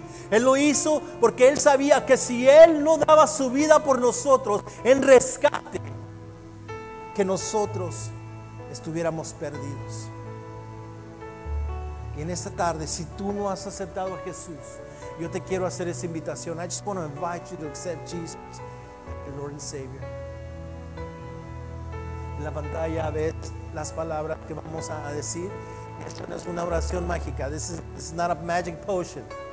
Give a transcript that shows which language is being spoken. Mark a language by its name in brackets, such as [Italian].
[Spanish] Él lo hizo porque él sabía que si él no daba su vida por nosotros en rescate, que nosotros estuviéramos perdidos. Y en esta tarde, si tú no has aceptado a Jesús, yo te quiero hacer esa invitación. [English] I just want to invite you to accept Jesus, the Lord and Savior. [Spanish] En la pantalla ves las palabras que vamos a decir. Esto no es una oración mágica. [English] This is not a magic potion.